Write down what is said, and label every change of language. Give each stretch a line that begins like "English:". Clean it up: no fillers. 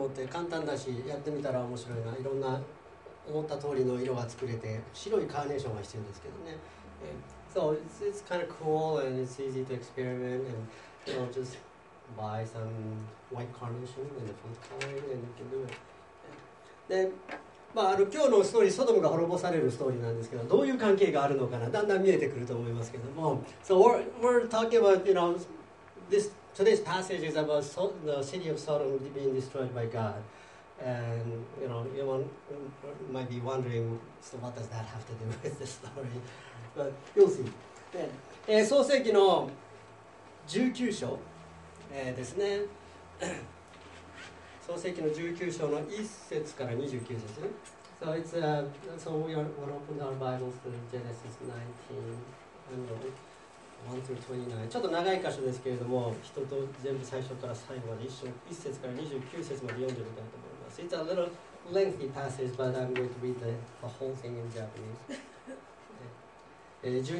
Japanese: 簡単だしやってみたら面白いな、いろんな思った通りの色が作れて、白いカーネーションが必要ですけどね。
English: So it's kind of cool and it's easy to experiment and you know, just buy some white carnation and the pink color and you can do it.
Japanese: で、まあ、今日のストーリー、ソドムが滅ぼされるストーリーなんですけど、どういう関係があるのかな、だんだん見えてくると思いますけども。
English: So we're talking about, you know, this. So this passage is about the city of Sodom being destroyed by God. And, you know, you might be wondering, so what does that have to do with the story? But you'll see. Yeah.
Japanese: 創世記の19章、ですね。創世記の19章の1節から29節。
English: So it's, so we'll open our Bibles to Genesis 19. And1 through 29.
Japanese: ちょっと長い箇所ですけれども、人と全部最初から最後まで一緒、一節から29節まで読んでみたいと思います。
English: It's a little lengthy passage, but I'm going to read the whole thing in Japanese.